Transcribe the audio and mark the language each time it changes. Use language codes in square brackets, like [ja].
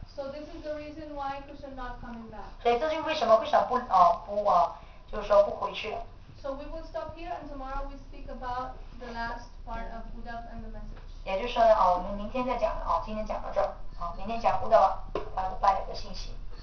[en] So this is the reason why Krishna not coming back. [zh] 所以这就是为什么 Krishna 不啊、哦、不啊、哦，就是说不回去了。 [en] So we will stop here, and tomorrow we speak about the last part of Buddha and the message. [zh] 也就是说呢，哦，我们明天再讲了，哦，今天讲到这儿，好、哦，明天讲Buddha拜的信息。